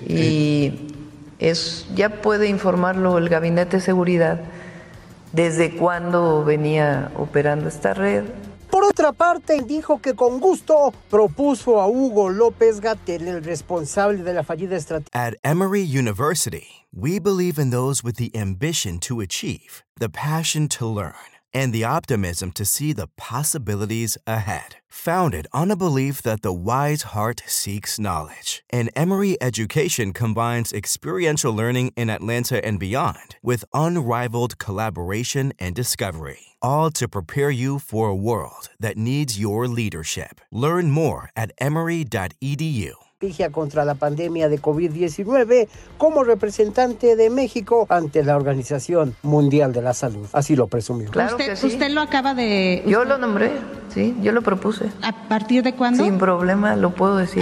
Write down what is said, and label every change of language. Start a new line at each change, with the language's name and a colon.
Spanish: Y ya puede informarlo el Gabinete de Seguridad desde cuándo venía operando esta red. Por otra parte, dijo que con gusto propuso a Hugo López-Gatell, el responsable de la fallida estrategia.
English: At Emory University, we believe in those with the ambition to achieve, the passion to learn, and the optimism to see the possibilities ahead. Founded on a belief that the wise heart seeks knowledge, and Emory Education combines experiential learning in Atlanta and beyond with unrivaled collaboration and discovery. All to prepare you for a world that needs your leadership. Learn more at emory.edu.
Spanish: Contra la pandemia de COVID-19 como representante de México ante la Organización Mundial de la Salud. Así lo presumió. Claro, usted, que sí. Usted lo acaba de... Yo lo nombré, sí, yo lo propuse. ¿A partir de cuándo? Sin problema, lo puedo decir.